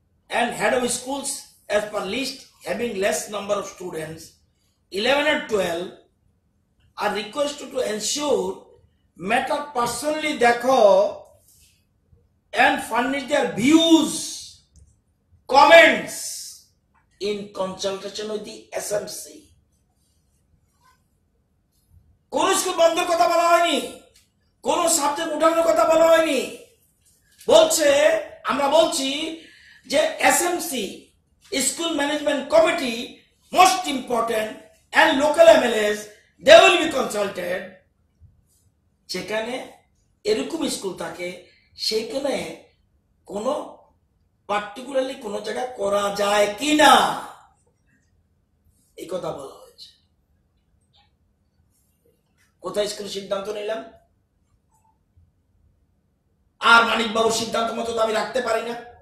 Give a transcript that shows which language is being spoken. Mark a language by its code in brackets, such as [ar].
[en] And head of schools as per list having less number of students 11-12 আর request to ensure matter personally দেখো and furnish their views comments in consultation with the SMC। [bn] কোন school বন্ধের কথা বলা হয়নি, কোন subject উঠানোর কথা বলা হয়নি। বলছে, আমরা বলছি যে SMC [en] school management committee, most important, and local MLAs, they will be consulted. [bn] যেখানে এরকম স্কুল থাকে সেখানে কোন পার্টিকুলারলি কোন জায়গা করা যায় কি না এই কথা বলা হয়েছে। কোথায় স্কুল সিদ্ধান্ত নিলাম আর মানিকবাবুর সিদ্ধান্ত মতো তো আমি রাখতে পারি না।